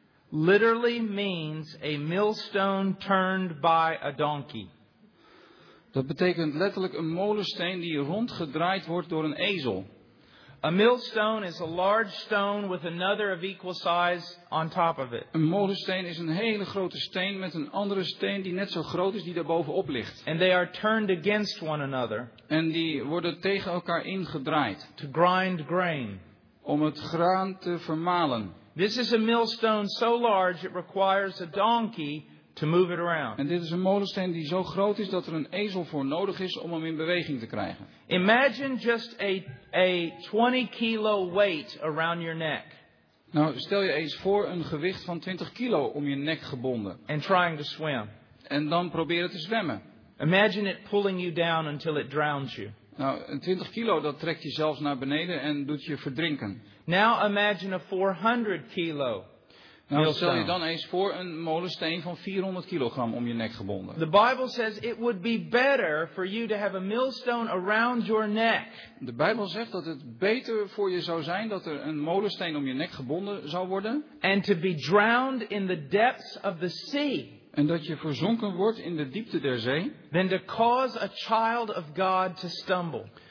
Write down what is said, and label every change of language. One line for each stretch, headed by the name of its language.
English: Literally means a millstone turned by a donkey.
Dutch: Dat betekent letterlijk een molensteen die rondgedraaid wordt door een ezel.
English: A millstone is a large stone with another of equal size on top of it.
Dutch: Een molensteen is een hele grote steen met een andere steen die net zo groot is die daar bovenop ligt.
English: And they are turned against one another.
Dutch: En die worden tegen elkaar ingedraaid.
English: To grind grain.
Dutch: om het graan te vermalen.
English: This is a millstone so large it requires a donkey to move it around.
Dutch: En dit is een molensteen die zo groot is dat er een ezel voor nodig is om hem in beweging te krijgen.
English: Imagine just a 20 kilo weight around your neck.
Dutch: Nou, stel je eens voor een gewicht van 20 kilo om je nek gebonden.
English: And trying to swim.
Dutch: En dan proberen te zwemmen.
English: Imagine it pulling you down until it drowns you.
Dutch: Nou, een 20 kilo dat trekt je zelfs naar beneden en doet je verdrinken.
English: Now imagine a 400 kilo.
Dutch: Nou, stel je dan eens voor een molensteen van 400 kilogram om je nek gebonden.
English: The Bible says it would be better for you to have a millstone around your neck.
Dutch: De Bijbel zegt dat het beter voor je zou zijn dat er een molensteen om je nek gebonden zou worden.
English: And to be drowned in the depths of the sea.
Dutch: En dat je verzonken wordt in de diepte der zee.
English: Then to cause a child of God to stumble.